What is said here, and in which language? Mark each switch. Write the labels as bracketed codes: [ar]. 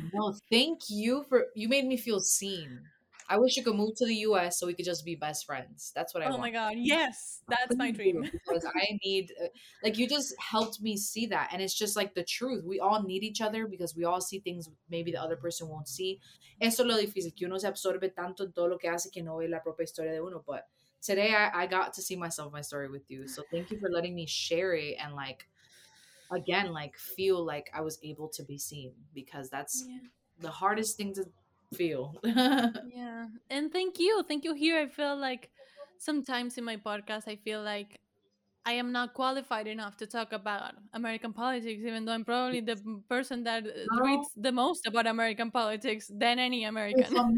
[en] No, thank you for, you made me feel seen. I wish you could move to the US so we could just be best friends. That's what I want. Oh my God, yes. That's my dream. Because I need, like, you just helped me see that. And it's just like the truth. We all need each other because we all see things maybe the other person won't see. [es] Eso es lo difícil, que uno se absorbe tanto en todo lo que hace que no ve la propia historia de uno. [en] But today I got to see myself, my story with you. So thank you for letting me share it and like, again, like, feel like I was able to be seen, because that's the hardest thing to feel. Yeah. And thank you. Thank you here. I feel like sometimes in my podcast, I feel like I am not qualified enough to talk about American politics, even though I'm probably the person that tweets the most about American politics than any American.